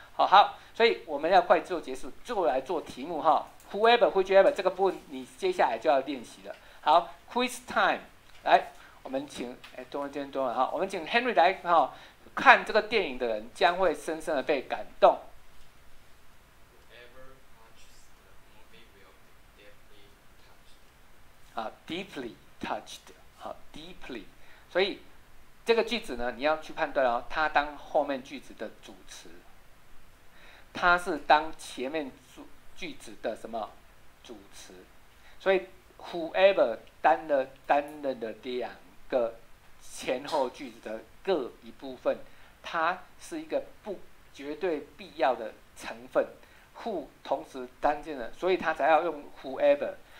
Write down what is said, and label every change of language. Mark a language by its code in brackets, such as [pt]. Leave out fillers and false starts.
[zh] 好好，所以我们要快做结束，就来做题目哈。 [en] whoever whichever [zh] 这个部分你接下来就要练习了。好， [en] quiz time， [zh] 来，我们请我们请 Henry 来哈、哦，看这个电影的人将会深深的被感动。 [en] Whoever watches the movie will be deeply touched. [zh] 好 ， [en] deeply touched， [zh] 好 ，deeply。所以这个句子呢，你要去判断哦，它当后面句子的主词，它是当前面句子的什么主词？所以 whoever 担任的两个前后句子的各一部分，它是一个不绝对必要的成分，who 同时担任了，所以它才要用 whoever。